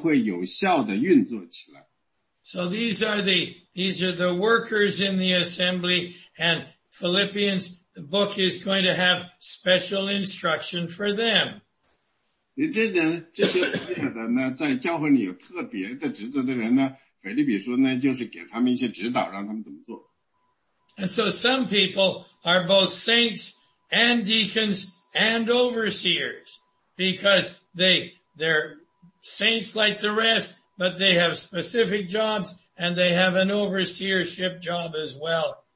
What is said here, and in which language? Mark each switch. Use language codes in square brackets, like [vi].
[zh] 因为在教会里每一个人呢，每一个弟兄或者姊妹呢，他们被安排在一个特别的节目，职责，你是做他们特别的事呢，是为了让教会有效的运作起来。 [en] So these are the workers in the assembly, and Philippians, the book is going to have special instruction for them. [zh] 这些在教会里有特别的职责的人呢，腓立比书呢，就是给他们一些指导，让他们怎么做。 [en] And so some people are both saints and deacons and overseers because they're saints like the rest, but they have specific jobs and they have an overseership job as well.